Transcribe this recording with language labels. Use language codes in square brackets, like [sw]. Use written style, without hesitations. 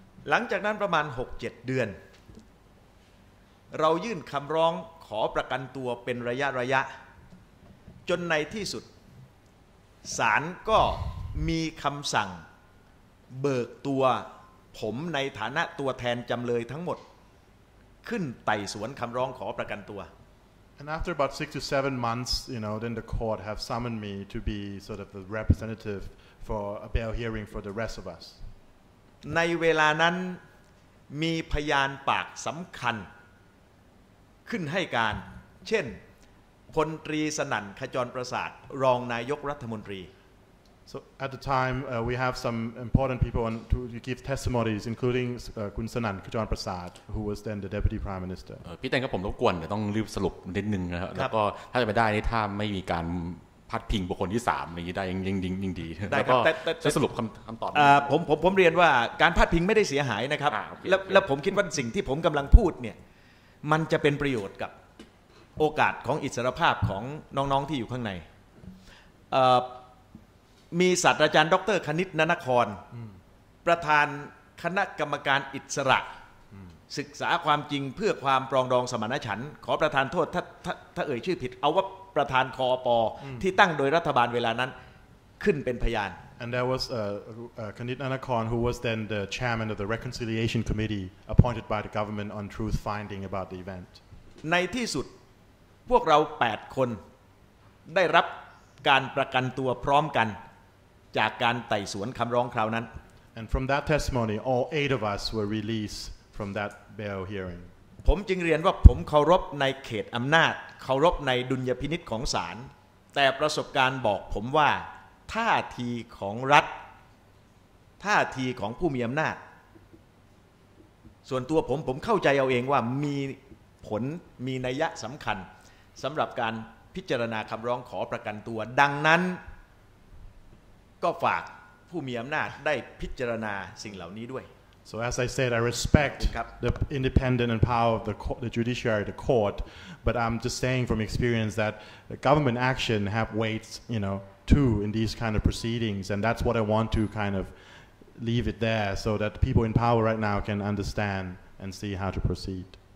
[th] หลังจากนั้นประมาณ 6-7 เดือนเรายื่นคำร้องขอประกันตัวเป็นระยะจนในที่สุดศาลก็มีคำสั่งเบิกตัวผมในฐานะตัวแทนจำเลยทั้งหมดขึ้นไต่สวนคำร้องขอประกันตัว [en] And after about 6-7 months you know then the court have summoned me to be sort of the representativeFor a bail hearing for the rest of us. [th] ในเวลานั้นมีพยานปากสำคัญขึ้นให้การเช่นพลตรีสนั่นขจรประสาทรองนายกรัฐมนตรี [en] So at the time we have some important people to give testimonies, including คุณสนั่นขจรประสาท who was then the deputy prime minister. [th] พี่แตงครับผมรบกวนแต่ต้องรีบสรุปนิดนึงนะครับแล้วก็ถ้าจะไปได้นี่ถ้าไม่มีการพาดพิงบุคคลที่3อย่างนี้ได้ยังดี แล้วก็ จะสรุปคำตอบ ผมเรียนว่าการพาดพิงไม่ได้เสียหายนะครับแล้วผมคิดว่าสิ่งที่ผมกำลังพูดเนี่ยมันจะเป็นประโยชน์กับโอกาสของอิสรภาพของน้องๆที่อยู่ข้างในมีศาสตราจารย์ดร. คณิตนนครประธานคณะกรรมการอิสระศึกษาความจริงเพื่อความปรองดองสมานฉันท์ขอประธานโทษถ้าเอ่ยชื่อผิดเอาว่าประธานคอปอที่ตั้งโดยรัฐบาลเวลานั้นขึ้นเป็นพยาน [en] And there was Kanit Nanakorn who was then the chairman of the Reconciliation Committee appointed by the government on truth finding about the event [th] ในที่สุดพวกเรา8คนได้รับการประกันตัวพร้อมกันจากการไต่สวนคำร้องคราวนั้น [en] And from that testimony all 8 of us were released from that bail hearing [th] ผมจึงเรียนว่าผมเคารพในเขตอำนาจเคารพในดุลยพินิจของศาลแต่ประสบการณ์บอกผมว่าท่าทีของรัฐท่าทีของผู้มีอำนาจส่วนตัวผมเข้าใจเอาเองว่ามีผลมีนัยยะสำคัญสำหรับการพิจารณาคำร้องขอประกันตัวดังนั้นก็ฝากผู้มีอำนาจได้พิจารณาสิ่งเหล่านี้ด้วย [en] So as I said, I respect the independence and power of the judiciary, the court, but I'm just saying from experience that the government action have weights, you know, too, in these kind of proceedings, and that's what I want to kind of leave it there so that people in power right now can understand and see how to proceed.